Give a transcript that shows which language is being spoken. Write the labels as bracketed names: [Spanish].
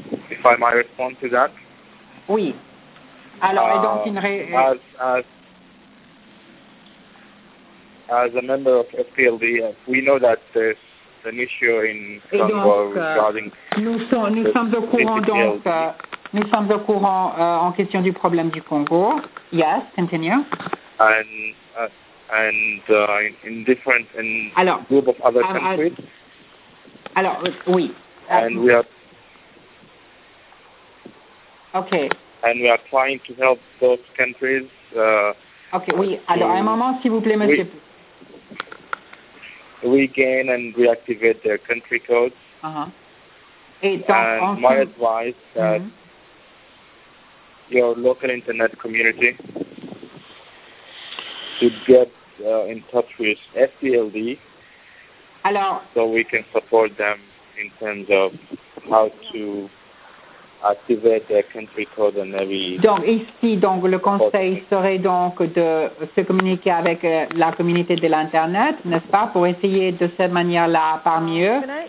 [English] If I might respond to that? [French] Oui. Alors, donc, [English] as a member of FPLD, we know that there's an issue in Congo regarding [French] nous sommes au courant, donc, Nous sommes au courant en question du problème du Congo. [English] Yes, continue. And in different group of other countries. [French] Alors, oui. [English] And we are trying to help those countries. [French] Alors, un moment, s'il vous plaît, monsieur. [English] Regain and reactivate their country codes. My advice is that your local internet community should get in touch with FDLD. [French] Alors, [English] so we can support them in terms of how to activate their country code and maybe. [French] Donc ici, donc le conseil serait donc de se communiquer avec la communauté de l'internet, n'est-ce pas, pour essayer de cette manière-là parmi eux.